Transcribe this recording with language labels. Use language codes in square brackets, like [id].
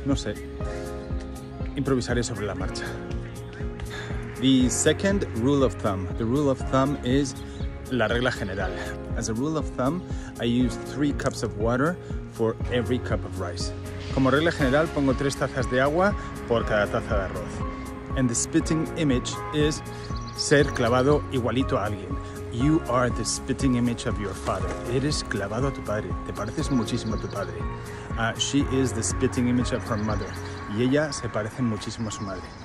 [es] No sé. Improvisaré sobre la marcha. [en] The second rule of thumb. The rule of thumb is [es] la regla general. [en] As a rule of thumb, I use 3 cups of water for every cup of rice. [es] Como regla general, pongo 3 tazas de agua por cada taza de arroz. [en] And the spitting image is [es] ser clavado igualito a alguien. [en] You are the spitting image of your father. [es] Eres clavado a tu padre. Te pareces muchísimo a tu padre. [en] She is the spitting image of her mother. [es] Y ella se parece muchísimo a su madre.